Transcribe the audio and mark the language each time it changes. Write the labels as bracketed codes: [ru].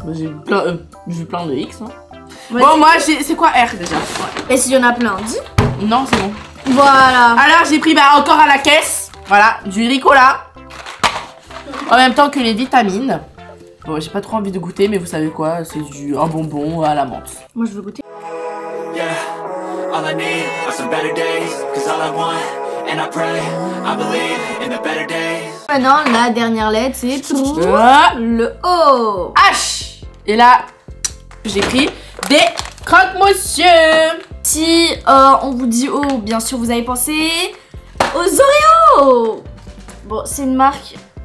[fr] Bah, j'ai vu plein de X. Hein. Bon, ouais, moi, c'est quoi R déjà? Et s'il y en a plein, dis. Non, c'est bon. Voilà. Alors, j'ai pris encore à la caisse. Voilà, du Ricola. En même temps que les vitamines. Bon, j'ai pas trop envie de goûter, mais vous savez quoi? C'est un bonbon à la menthe. Moi, je veux goûter. [en] Yeah, all I need are some better days. Cause all I want, and I pray, I believe in the better days. [fr] Maintenant, la dernière lettre, c'est tout. Le O. H. Et là, j'ai pris. Des croque-monsieur. Si on vous dit oh, bien sûr vous avez pensé aux Oreos. Bon, c'est une marque.